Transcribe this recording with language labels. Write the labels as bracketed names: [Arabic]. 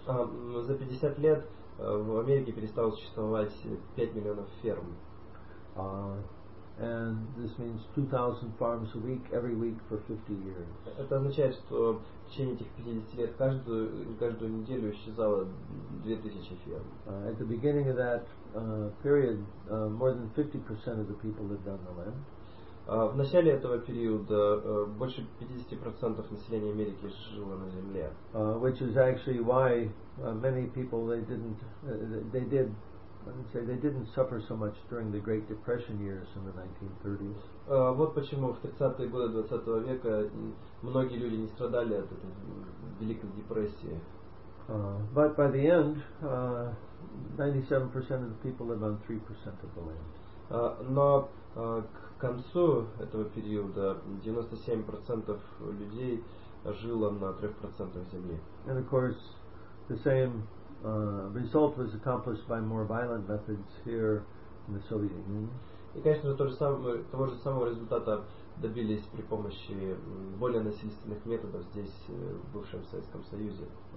[Russian] За 50 лет в Америке перестало существовать 5 миллионов ферм. [English] And this means 2,000 farms a week, every week for 50 years. [Russian] Это означает, что в течение этих 50 лет каждую неделю исчезало 2,000 ферм. [English] At the beginning of that period, more than 50% of the people lived on the land. [Russian] В начале этого периода больше 50% населения Америки жило на земле. [English] Which is actually why many people they didn't suffer so much during the Great Depression years in the 1930s. [Russian] Вот почему в 30-е годы 20-го века многие люди не страдали от этой Великой Депрессии. [English] But by the end, 97% of the people live on 3% of the land. [Russian] Но к концу этого периода 97% людей жило на 3% земли. [English] And of course, the same result was accomplished by more violent methods here in the Soviet Union. [Russian] И, конечно, того же самого результата добились при помощи более насильственных методов здесь, в бывшем Советском Союзе.